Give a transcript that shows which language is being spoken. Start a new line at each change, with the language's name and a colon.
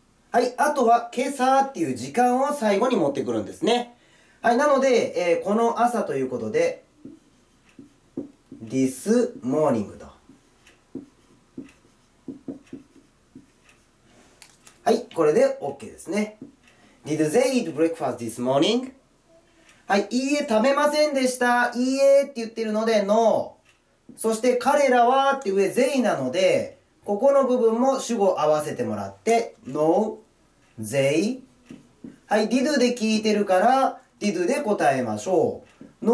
Japanese: はい、あとは今朝っていう時間を最後に持ってくるんですね。はい、なので、この朝ということで、 This morning と。はい、これで OK ですね。
English: Did they eat breakfast this morning？
Japanese: はい、いいえ、食べませんでした。いいえって言ってるので、ノー。そして彼らはって上、they なので、ここの部分も主語を合わせてもらって、ノー、they。はい、did で聞いてるから、did で答えましょう。